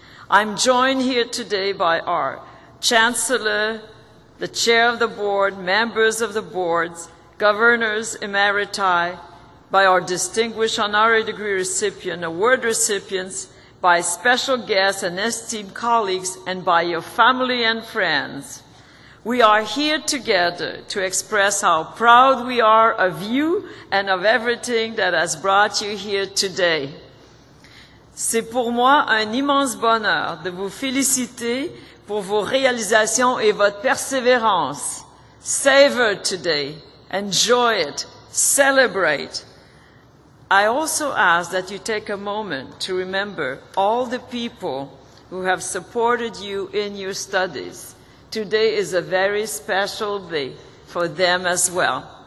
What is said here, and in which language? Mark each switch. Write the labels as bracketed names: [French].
[English] I'm joined here today by our Chancellor, the Chair of the Board, members of the boards, governors emeriti, by our distinguished honorary degree recipient, award recipients, by special guests and esteemed colleagues, and by your family and friends. We are here together to express how proud we are of you and of everything that has brought you here today. [French] C'est pour moi un immense bonheur de vous féliciter pour vos réalisations et votre persévérance. [English] Savor today. Enjoy it. Celebrate. I also ask that you take a moment to remember all the people who have supported you in your studies. Today is a very special day for them as well.